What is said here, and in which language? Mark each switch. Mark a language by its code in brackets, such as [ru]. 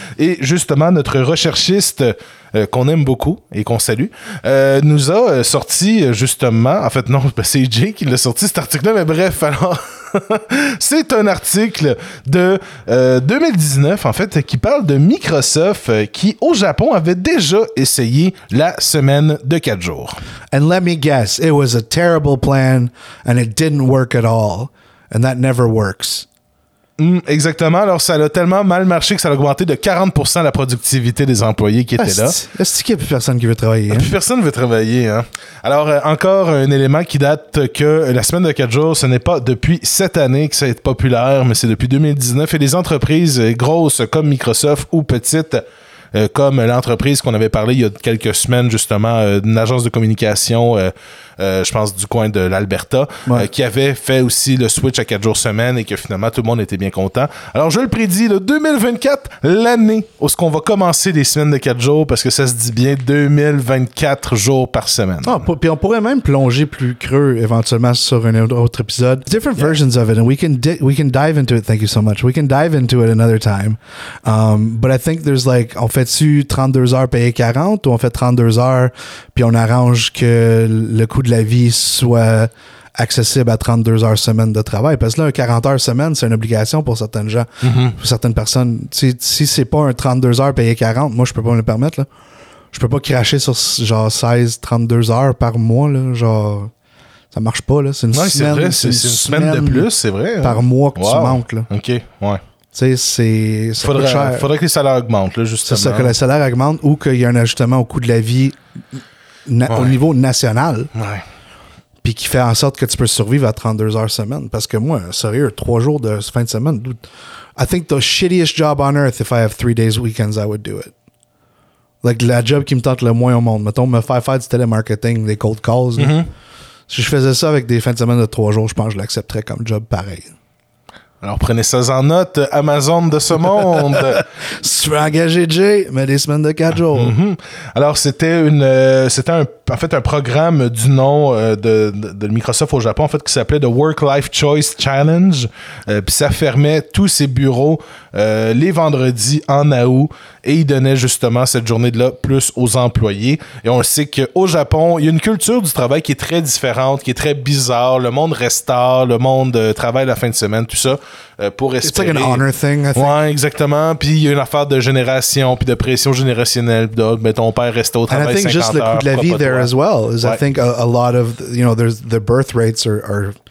[fr] Et justement, notre recherchiste qu'on aime beaucoup et qu'on salue, nous a sorti justement, en fait non, ben, c'est Jay qui l'a sorti cet article-là, mais bref, alors... C'est un article de 2019, en fait, qui parle de Microsoft qui, au Japon, avait déjà essayé la semaine de 4 jours. [en] And let me guess, it was a terrible plan and it didn't work at all. And that never works. [fr] Exactement. Alors, ça a tellement mal marché que ça a augmenté de 40% la productivité des employés qui étaient là. Est-ce qu'il n'y a plus personne qui veut travailler? Plus personne veut travailler. Hein? Alors, encore un élément qui date que la semaine de 4 jours, ce n'est pas depuis cette année que ça a été populaire, mais c'est depuis 2019. Et les entreprises grosses comme Microsoft ou petites, comme l'entreprise qu'on avait parlé il y a quelques semaines, justement, d'une agence de communication, je pense, du coin de l'Alberta, ouais, qui avait fait aussi le switch à 4 jours semaine et que finalement, tout le monde était bien content. Alors, je le prédis, le 2024, l'année où ce qu'on va commencer les semaines de 4 jours, parce que ça se dit bien 2024 jours par semaine. Puis on pourrait même plonger plus creux éventuellement sur un autre épisode. [en] Different versions of it, and we can dive into it, thank you so much. We can dive into it another time. But I think there's like... [fr] On fait-tu 32 heures payées 40 ou on fait 32 heures puis on arrange que le coût de la vie soit accessible à 32 heures semaine de travail? Parce que là, un 40 heures semaine, c'est une obligation pour certaines gens, pour certaines personnes. Si c'est pas un 32 heures payées 40, moi, je peux pas me le permettre. Là. Je peux pas cracher sur genre 16, 32 heures par mois. Là, genre, ça marche pas. Là. C'est une semaine. C'est une semaine de plus. Par mois que tu manques. Là. OK, ouais. Tu sais, c'est faudrait que les salaires augmentent, là, justement. C'est ça, que les salaires augmentent ou qu'il y a un ajustement au coût de la vie au niveau national. Ouais. Puis qui fait en sorte que tu peux survivre à 32 heures semaine. Parce que moi, sérieux, 3 jours de fin de semaine, dude, [en] I think the shittiest job on earth, if I have 3 days weekends, I would do it. Like, [fr] la job qui me tente le moins au monde. Mettons, me faire du télémarketing, des cold calls. Mm-hmm. Si je faisais ça avec des fins de semaine de 3 jours, je pense que je l'accepterais comme job pareil. Alors, prenez ça en note, Amazon de ce monde. Si tu veux engager Jay, mets des semaines de 4 jours. Mm-hmm. Alors, c'était un programme du nom de Microsoft au Japon, en fait, qui s'appelait The Work-Life Choice Challenge. Puis ça fermait tous ses bureaux les vendredis en août. Et il donnait justement cette journée-là plus aux employés. Et on le sait qu'au Japon, il y a une culture du travail qui est très différente, qui est très bizarre. Le monde reste tard, le monde travaille la fin de semaine, tout ça, pour espérer. C'est [en] like an honor thing, I think. [fr] Ouais, exactement. Puis il y a une affaire de génération, puis de pression générationnelle. Donc, ben, ton père reste au travail 50 heures. [en] And I think just [fr] heures, le coût de la vie [en] there as well. I think a lot of, you know, there's the birth rates are